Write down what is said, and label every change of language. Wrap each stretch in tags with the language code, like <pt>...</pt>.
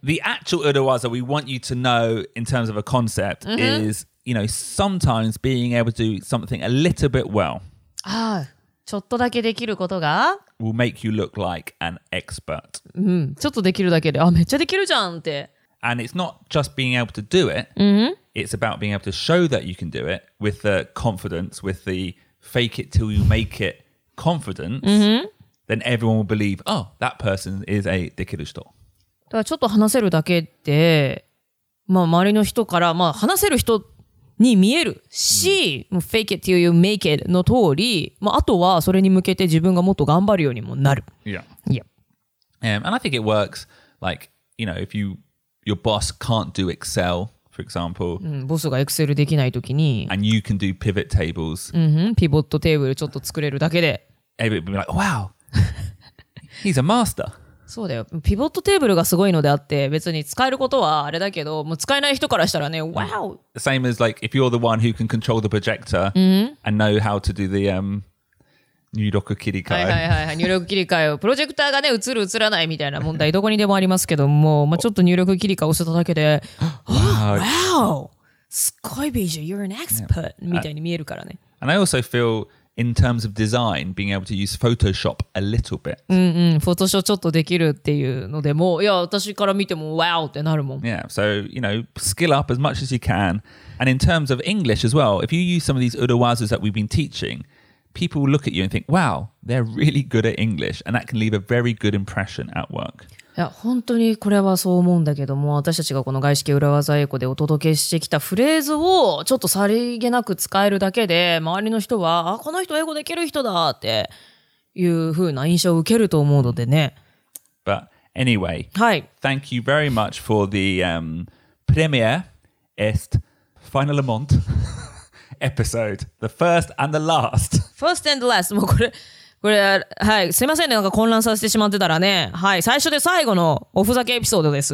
<en>The actual Uruwaza we want you to know in terms of a concept mm-hmm. is, you know, sometimes being able to do something a little bit well.</en> <ja>Ah, ちょっとだけできることが</ja> <en>will make you look like an expert. Hmm.</en> <ja>ちょっとできるだけで、あ、めっちゃできるじゃんって。</ja> <en>And it's not just being able to do it. Mm-hmm. It's about being able to show that you can do it with the confidence, with the fake it till you make it confidence. Mm-hmm. Then everyone will believe, oh, that person is a</en> <ja>できる人。だからちょっと話せるだけで、まあ周りの人から、まあ話せる人に見えるし、もう</ja> <en>fake it till you make it</en> <ja>の通り、まああとはそれに向けて自分がもっと頑張るようにもなる。</ja> <en>Yeah. Yeah. And I think it works like, you know, if your boss can't do Excel, for example.</en> <ja>ボスが Excel できないときに</ja> <en>And you can do pivot tables.</en> <ja>Pivot table ちょっと作れるだけで</ja> <en>Everybody will be like, wow! He's a master!</en> <ja>そうだよ。ピボットテーブルがすごいのであって別に使えることはあれだけどもう使えない人からしたらね、wow!</ja> <en>Same as like, if you're the one who can control the projector and know how to do the</en> <ja>入力切り替え。はいはいはい、はい、入力切り替えを。プロジェクターがね、映る映らないみたいな問題、どこにでもありますけども、まあ、ちょっと入力切り替えを押しただけで、</ja> <en>wow!</en> <ja>wow! すごいビジュ、</ja> <en>you're an expert!、</en> <ja>Yeah. みたいに見えるからね。</ja> <en>And I also feel, in terms of design, being able to use Photoshop a little bit.</en> <ja>うんうん、Photoshop ちょっとできるっていうのでも、いや、私から見ても、wow! ってなるもん。</ja> <en>Yeah, so, you know, skill up as much as you can. And in terms of English as well, if you use some of these Uruwazas that we've been teaching,People will look at you and think, wow, they're really good at English, and that can leave a very good impression at work.</en> <ja>Yeah, 本当にこれはそう思うんだけども、私たちがこの外資系裏技英語でお届けしてきたフレーズをちょっとさりげなく使えるだけで、周りの人は、あ、この人英語できる人だっていう風な印象を受けると思うのでね。</ja> <en>But anyway,、</en> <ja>はい、</ja> <en>thank you very much for the</en> <fr>premiere est final amont.</fr> <en>episode the first and the last first and last</en> <ja>もうこれはいすいませんねなんか混乱させてしまってたらねはい最初で最後のおふざけエピソードです</ja>